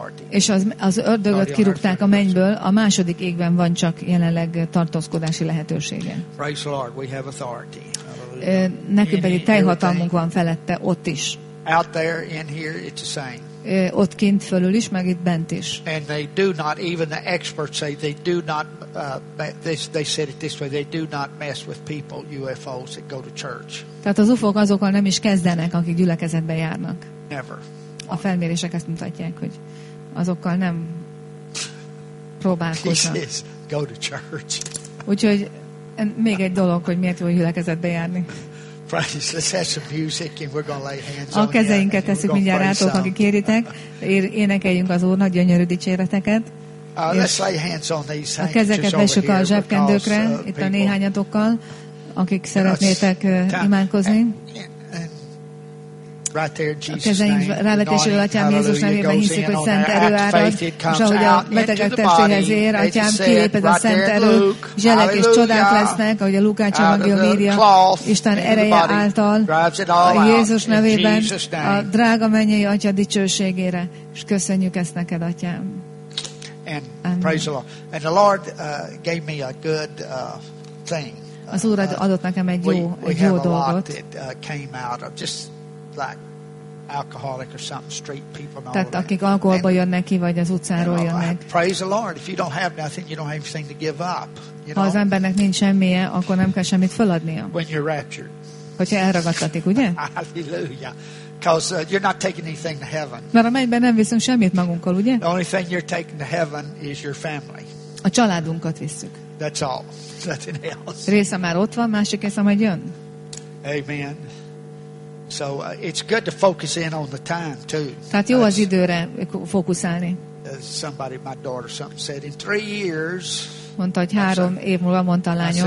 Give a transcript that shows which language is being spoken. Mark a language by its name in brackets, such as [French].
[Hungarian] És az ördögöt kirúgták a mennyből, a második égben van csak jelenleg tartózkodási lehetősége. [English] Praise the Lord, we have authority. [Hungarian] Nekünk pedig teljes hatalmunk van felette, ott is. [English] Out there, in here, it's the same. [Hungarian] Ott kint fölül is, meg itt bent is. [English] And they do not, even the experts say they do not, they said it this way, they do not mess with people, UFOs that go to church. [Hungarian] Tehát az UFO-k azokkal nem is kezdenek, akik gyülekezetbe járnak. [English] Never. [Hungarian] A felmérések ezt mutatják, hogy azokkal nem próbálkoznak. [English] He says, go to church. [Hungarian] Úgyhogy még egy dolog, hogy miért jó gyülekezetbe járni. [English] Let's have some music and we're gonna lay hands [Hungarian] a kezeinket teszünk mindjárt rátok, akik kéritek, énekeljünk az Úrnak gyönyörű dicséreteket. [English] Let's lay hands on these. [Hungarian] A kezeket vessük a zsebkendőkre, itt a néhányatokkal, akik szeretnétek imádkozni. [English] right there in Jesus' name. Hallelujah. [Hungarian] Jézus nevében hiszik, hogy szent erő árad, és ahogy a betegek testéhez ér, Atyám, kiéped a szent erő, zselek és csodák lesznek, ahogy a Lukács evangélium írja, Isten ereje által, a Jézus nevében, a drága mennyei Atya dicsőségére, és köszönjük ezt neked, Atyám. [English] Praise the Lord. And the Lord gave me a good thing. [Hungarian] Az Úr adott nekem egy jó, egy jó dolgot. [English] We have a lot that came out of just like alcoholic or something, street people. [Hungarian] Tehát akik alkoholba jönnek ki, vagy az utcáról jönnek. [English] Praise the Lord. If you don't have nothing, you don't have anything to give up. You know? [Hungarian] Ha az embernek nincs semmije, akkor nem kell semmit feladnia. [English] When you're raptured. [Hungarian] Hogyha elragadtatik, ugye? Hallelujah. [English] Because you're not taking anything to heaven. [Hungarian] Mert a mennyben nem viszünk semmit magunkkal, ugye? [English] The only thing you're taking to heaven is your family. [Hungarian] A családunkat visszük. [English] That's all. Nothing else. [Hungarian] Része már ott van, másik része majd jön. Amen. [English] So it's good to focus in on the time too. [Hungarian] Tehát jó az időre fókuszálni. [English] Somebody, my daughter, something said in 3 years. [Hungarian] Mondta, hogy 3 év múlva, mondta a lányom.